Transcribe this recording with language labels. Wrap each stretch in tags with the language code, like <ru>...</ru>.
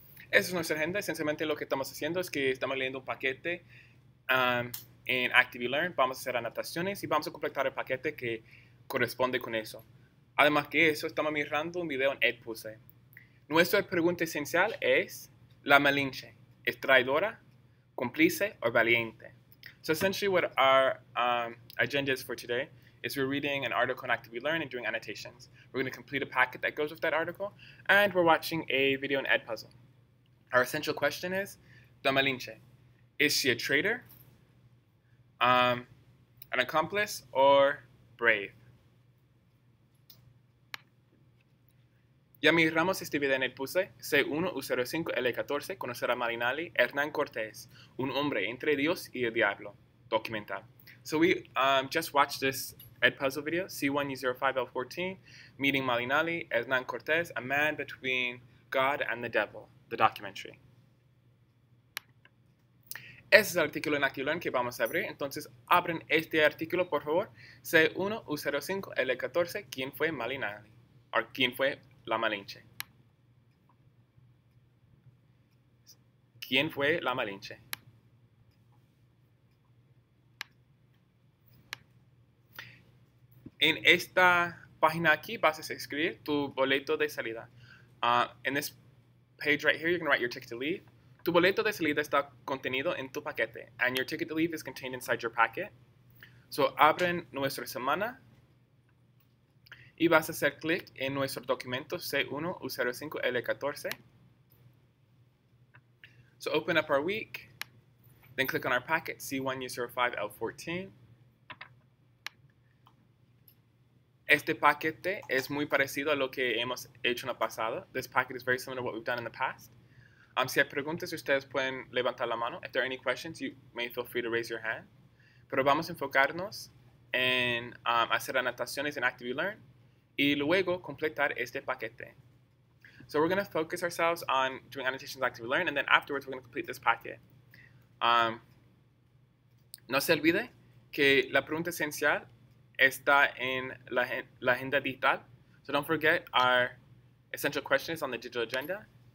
<es>Esa es nuestra agenda. Esencialmente lo que estamos haciendo es que estamos leyendo un paquete en ActiveLearn. Vamos a hacer anotaciones y vamos a completar el paquete que corresponde con eso. Además que eso, estamos mirando un video en Edpuse. Nuestra pregunta esencial es, ¿la Malinche es traidora, cómplice o valiente?</es> <en>So essentially what our agenda is for today is we're reading an article on ActiveLearn and doing annotations. We're going to complete a packet that goes with that article, and we're watching a video on Edpuzzle. Our essential question is, La Malinche, is she a traitor, an accomplice, or brave?</en> <es>Ya miramos este video en el PUSE, C1U05L14, conocer a Marinali Hernán Cortés, un hombre entre Dios y el diablo. Documental.</es> <en>So we just watched this Edpuzzle video, C1U05L14, meeting Malinali, Hernán Cortés, a man between God and the devil, the documentary.</en> <es>Este es el artículo en ActiveLearn que vamos a abrir, entonces abren este artículo, por favor, C1U05L14, ¿quién fue Malinali? O ¿quién fue la Malinche? ¿Quién fue la Malinche? En esta página aquí vas a escribir tu boleto de salida.</es> <en>In this page right here, you're going to write your ticket to leave.</en> <es>Tu boleto de salida está contenido en tu paquete.</es> <en>And your ticket to leave is contained inside your packet.</en> <es>So, abren nuestra semana. Y vas a hacer clic en nuestro documento C1U05L14.</es> <en>So, open up our week. Then click on our packet C1U05L14.</en> <es>Este paquete es muy parecido a lo que hemos hecho en el pasado.</es> <en>This packet is very similar to what we've done in the past.</en> <es>Si hay preguntas, ustedes pueden levantar la mano.</es> <en>If there are any questions, you may feel free to raise your hand.</en> <es>Pero vamos a enfocarnos en hacer anotaciones en ActiveLearn y luego completar este paquete.</es> <en>So we're going to focus ourselves on doing annotations in ActiveLearn, and then afterwards we're going to complete this packet.</en> <es>No se olvide que la pregunta esencial está en la agenda digital.</es> <en>So don't forget, our essential question is on the digital agenda.</en>